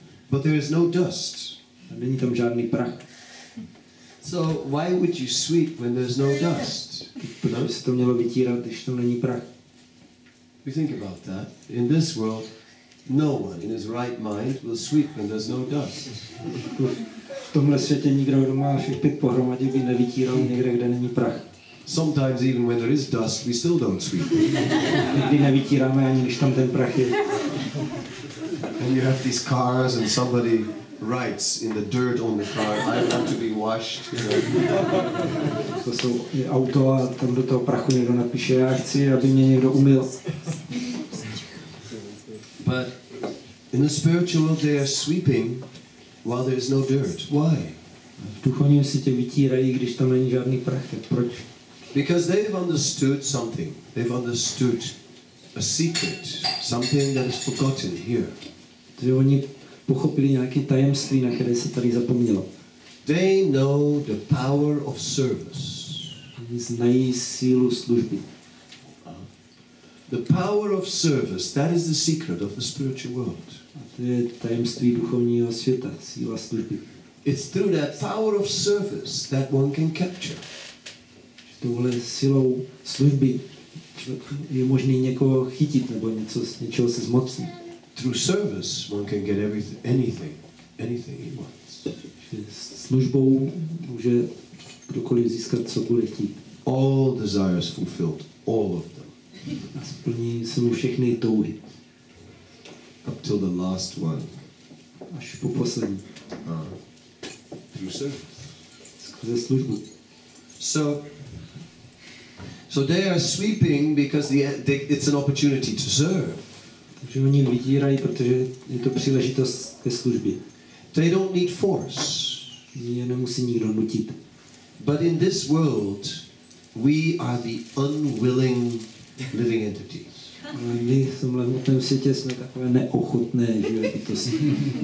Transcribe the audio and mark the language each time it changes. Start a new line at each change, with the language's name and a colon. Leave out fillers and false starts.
English: But there is no dust.
Czech: A není tam žádný prach.
English: So why would you sweep when there's no dust?
Czech: Proč by se to mělo vytírat, když tam není prach?
English: We think about that. In this world, no one in his right mind will sweep when there's no dust.
Czech: V tomhle světě nikdo, kdo má všech pět pohromadě, by nevytíral někde, kde není prach.
English: Sometimes even when there is dust, we still don't sweep.
Czech: Nikdy nevytíráme ani když tam ten prach je.
English: And you have these cars and somebody writes in the dirt on the car, I want to be washed.
Czech: To jsou auto a tam do toho prachu někdo napíše, já chci, aby mě někdo umyl.
English: But in the spiritual world they are sweeping while there is no dirt. Why?
Czech: V duchovním světě vytírají, když tam není žádný prach. Proč?
English: Because they've understood something. They've understood a secret, something that is forgotten here.
Czech: Že oni pochopili nějaké tajemství, na které se tady zapomnělo.
English: They know the power of service.
Czech: Oni znají sílu služby.
English: The power of service, that is the secret of the spiritual world.
Czech: A to je tajemství duchovního světa, síla služby.
English: It's through that power of service that one can capture.
Czech: Že tohle silou služby je možný někoho chytit nebo něco, něčeho se zmocnit.
English: Through service, one can get anything he wants.
Czech: Službou může kdokoliv získat cokoliv chtít.
English: All desires fulfilled, all of them.
Czech: A splní se mu všechny touhy.
English: Up till the last one.
Czech: Až po poslední.
English: Through service.
Czech: Skrze službu.
English: So they are sweeping because it's an opportunity to serve.
Czech: Že oni vytírají, protože je to příležitost ke službě.
English: They don't need force.
Czech: Je nemusí nikdo nutit.
English: But in this world, we are the unwilling living entities.
Czech: My v tomhle hmotném světě jsme takové neochotné živé bytosti.